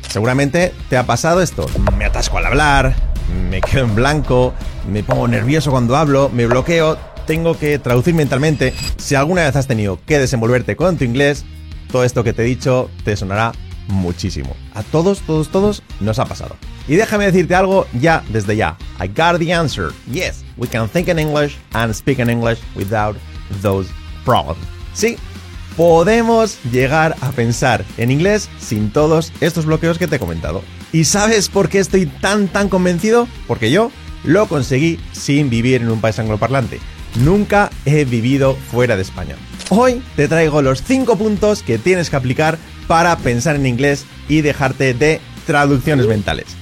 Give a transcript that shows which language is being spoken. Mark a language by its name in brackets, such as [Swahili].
[Spanish] Seguramente te ha pasado esto. Me atasco al hablar, me quedo en blanco, me pongo nervioso cuando hablo, me bloqueo, tengo que traducir mentalmente. Si alguna vez has tenido que desenvolverte con tu inglés, todo esto que te he dicho te sonará muchísimo. A todos, todos, todos nos ha pasado. Y déjame decirte algo ya, desde ya. [English] I got the answer. Yes, we can think in English and speak in English without those problems. [Spanish] Sí, podemos llegar a pensar en inglés sin todos estos bloqueos que te he comentado. ¿Y sabes por qué estoy tan, tan convencido? Porque yo lo conseguí sin vivir en un país angloparlante. Nunca he vivido fuera de España. Hoy te traigo los 5 puntos que tienes que aplicar para pensar en inglés y dejarte de traducciones mentales.